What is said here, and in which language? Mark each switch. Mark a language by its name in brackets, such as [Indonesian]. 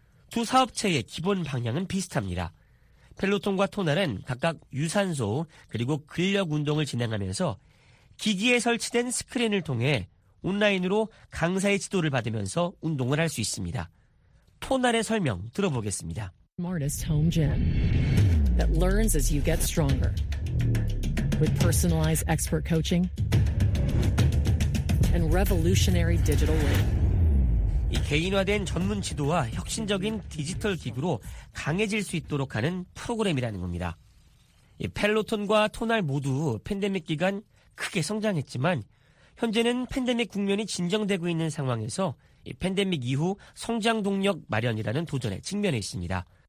[Korean] 두 사업체의 기본 방향은 비슷합니다. 펠로톤과 토날은 각각 유산소 그리고 근력 운동을 진행하면서 기기에 설치된 스크린을 통해 온라인으로 강사의 지도를 받으면서 운동을 할 수 있습니다. 토날의 설명 들어보겠습니다. [English] Smartest home gym that learns as you get stronger with personalized expert coaching and revolutionary digital learning. [Korean] 이 개인화된 전문 지도와 혁신적인 디지털 기구로 강해질 수 있도록 하는 프로그램이라는 겁니다. 이 펠로톤과 토날 모두 팬데믹 기간 크게 성장했지만 현재는 팬데믹 국면이 진정되고 있는 상황에서 이 팬데믹 이후 성장 동력 마련이라는 도전에 직면해 있습니다.